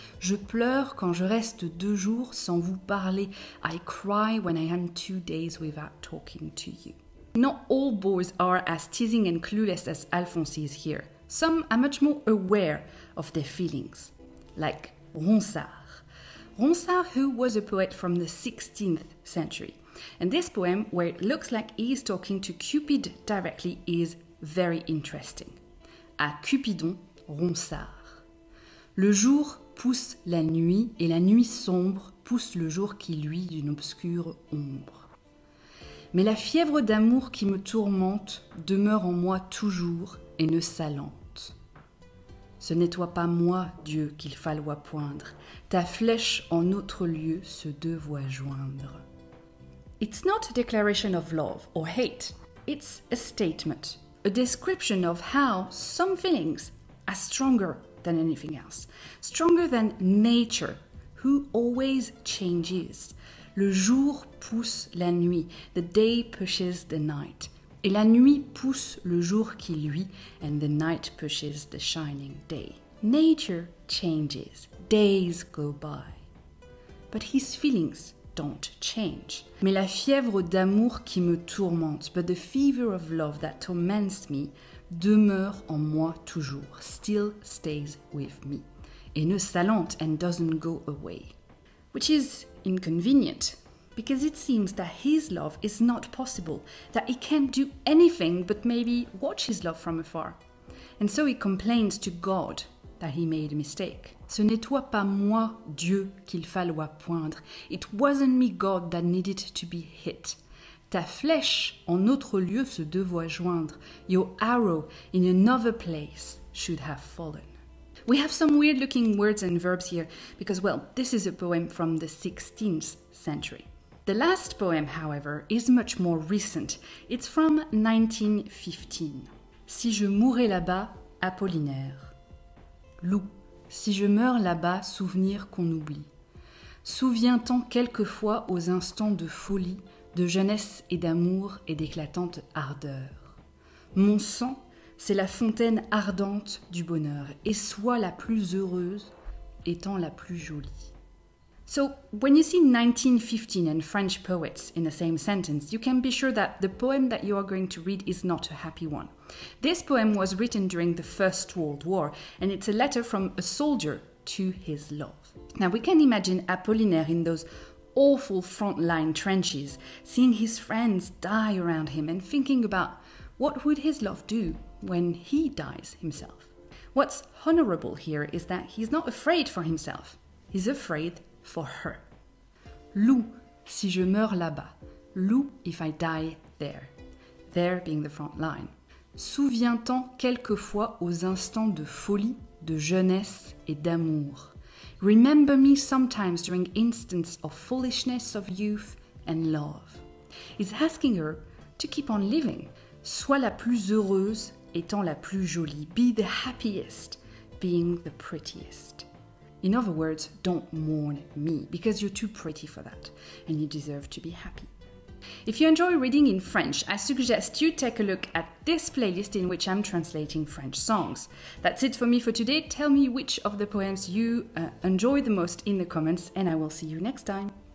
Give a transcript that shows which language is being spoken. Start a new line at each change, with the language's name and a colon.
French: Je pleure quand je reste 2 jours sans vous parler.
English: I cry when I am 2 days without talking to you. Not all boys are as teasing and clueless as Alphonse is here. Some are much more aware of their feelings, like Ronsard. Ronsard, who was a poet from the 16th century. And this poem, where it looks like he is talking to Cupid directly, is very interesting.
French: À Cupidon, Ronsard. Le jour pousse la nuit, et la nuit sombre pousse le jour qui luit d'une obscure ombre. Mais la fièvre d'amour qui me tourmente demeure en moi toujours et ne s'alente. Ce n'est toi pas moi, Dieu, qu'il falloit poindre. Ta flèche en autre lieu se devoit joindre.
English: It's not a declaration of love or hate. It's a statement. A description of how some feelings are stronger than anything else. Stronger than nature, who always changes.
French: Le jour pousse la nuit.
English: The day pushes the night.
French: Et la nuit pousse le jour qui luit.
English: And the night pushes the shining day. Nature changes. Days go by. But his feelings don't change.
French: Mais la fièvre d'amour qui me tourmente,
English: but the fever of love that torments me,
French: demeure en moi toujours,
English: still stays with me,
French: et ne s'allente
English: and doesn't go away. Which is inconvenient, because it seems that his love is not possible, that he can't do anything but maybe watch his love from afar. And so he complains to God that he made a mistake. Ce n'est toi pas moi, Dieu, qu'il fallait poindre. It wasn't me, God, that needed to be hit. Ta flèche en autre lieu se devoit joindre. Your arrow in another place should have fallen. We have some weird-looking words and verbs here because, well, this is a poem from the 16th century. The last poem, however, is much more recent. It's from 1915.
French: Si je mourais là-bas,
English: Apollinaire.
French: Loup, si je meurs là-bas, souvenir qu'on oublie. Souviens-t'en quelquefois aux instants de folie, de jeunesse et d'amour et d'éclatante ardeur. Mon sang, c'est la fontaine ardente du bonheur, et sois la plus heureuse, étant la plus jolie.
English: So, when you see 1915 and French poets in the same sentence, you can be sure that the poem that you are going to read is not a happy one. This poem was written during the First World War, and it's a letter from a soldier to his love. Now, we can imagine Apollinaire in those awful frontline trenches, seeing his friends die around him and thinking about what would his love do when he dies himself. What's honorable here is that he's not afraid for himself, he's afraid for her.
French: Loup, si je meurs là-bas. Loup,
English: if I die there. There being the front line.
French: Souviens-t'en quelquefois aux instants de folie, de jeunesse et d'amour.
English: Remember me sometimes during instants of foolishness, of youth and love. He's asking her to keep on living.
French: Sois la plus heureuse, étant la plus jolie.
English: Be the happiest, being the prettiest. In other words, don't mourn me, because you're too pretty for that, and you deserve to be happy. If you enjoy reading in French, I suggest you take a look at this playlist in which I'm translating French songs. That's it for me for today. Tell me which of the poems you enjoy the most in the comments, and I will see you next time.